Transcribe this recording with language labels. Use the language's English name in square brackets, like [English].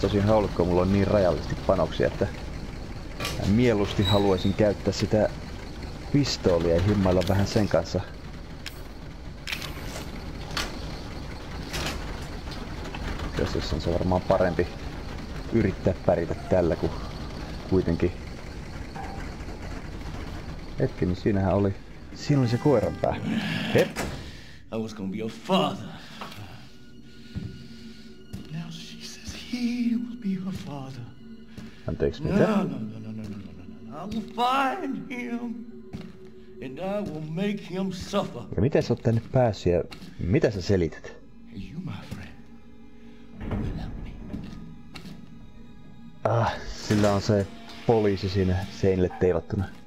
[Finnish] Tosin haulikko mulla on niin rajallisesti panoksia, että mä mieluusti haluaisin käyttää sitä pistoolia ja himmailla vähän sen kanssa. Jos on se varmaan parempi yrittää pärjätä tällä, kun kuitenkin... Hetkinen, niin siinähän oli... Siinä oli se koiran pää. Hep! [English] I was gonna be your father. Now she says he will be her father. [Finnish] Anteeks, mitä? [English] No. I will find him. And I will make him suffer. [Finnish] Ja miten sä oot tänne päässyt ja mitä sä selität? [English] You my friend. [Finnish] Ah, sillä on se poliisi siinä seinille teivattuna.